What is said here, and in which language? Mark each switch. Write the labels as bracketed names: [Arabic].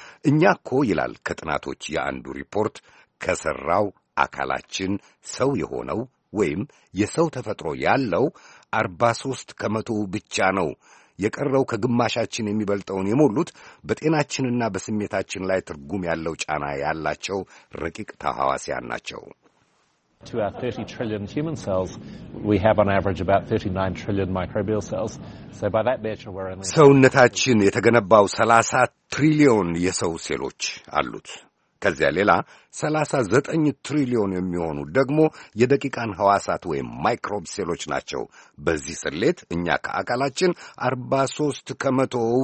[Amharic] እኛ እኮ ይላል ከጥናቶች የአንዱ ሪፖርት፣ ከሠራው አካላችን ሰው የሆነው ወይም የሰው ተፈጥሮ ያለው 43% ብቻ ነው። የቀረው ከግማሻችን የሚበልጠውን የሞሉት በጤናችንና በስሜታችን ላይ ትርጉም ያለው ጫና ያላቸው ረቂቅ ተሐዋስያን ናቸው። [English] To our 30 trillion human cells, we have on average about 39 trillion microbial cells. So by that measure, we're only... [Amharic] ሰውነታችን የተገነባው 30 ትሪሊዮን የሰው ሴሎች አሉት። ከዚያ ሌላ 39 ትሪሊዮን የሚሆኑ ደግሞ የደቂቃን ሕዋሳት ወይም ማይክሮብ ሴሎች ናቸው። በዚህ ስሌት እኛ ከአካላችን 43%